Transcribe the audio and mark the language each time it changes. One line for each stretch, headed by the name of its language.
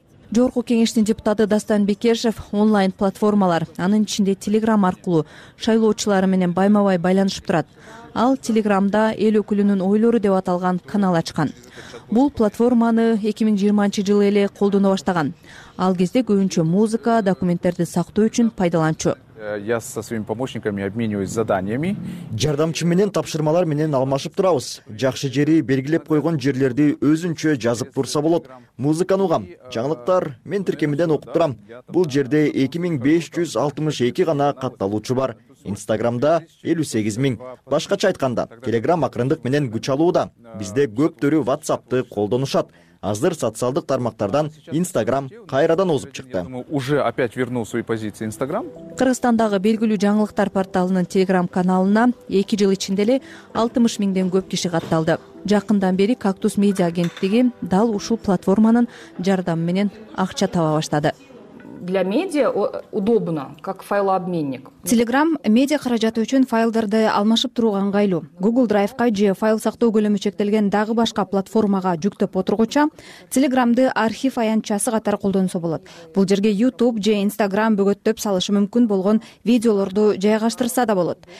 Kyrgyz: Жогорку кеңештин депутаты Дастан Бекешев онлайн платформалар, анын ичинде телеграм аркылуу шайлоочулары менен байма-бай байланышып турат. Ал телеграмда эл өкүлүнүн ойлору деп аталган канал ачкан. Бул платформаны 2020-жылы эле колдоно баштаган. Ал кезде көбүнчө музыка, документтерди сактоо үчүн пайдаланчу.
Russian: Я со своими помощниками обмениваюсь заданиями.
Kyrgyz: Жардамчы менен тапшырмалар менен алмашып турабыз. Жакшы жери белгилеп койгон жерлерди өзүнчө жазып турса болот. Музыканы угам, жаңылыктар мен тиркемеден окуп турам. Бул жерде 2562 гана катталуучу бар. Инстаграмда 58 000. Башкача айтканда, Телеграм акырындык менен күч алууда. Бизде көптөрү WhatsAppты колдонушат. Азыр социалдык тармактардан Инстаграм кайрадан озуп чыкты.
Russian: Уже опять вернул свои позиции Инстаграм.
Kyrgyz: Кыргызстандагы белгилүү жаңылыктар порталынын Телеграм каналына 2 жыл ичинде эле 60 000 көп киши катталды. Жакындан бери Кактус медиа агенттиги дал ушул платформанын жардамы менен акча таба баштады.
Russian: для медиа удобно, как файлообменник.
Kyrgyz: Телеграм медиа каражаты үчүн файлдарды алмашып турууга ыңгайлуу. Google Drive-ка же файл сактоо көлөмү чектелген дагы башка платформага жүктөп отургуча, Телеграмды архив аянтчасы катар колдонсо болот. Бул жерге YouTube же Instagram бөгөттөп салышы мүмкүн болгон видеолорду жайгаштырса да болот.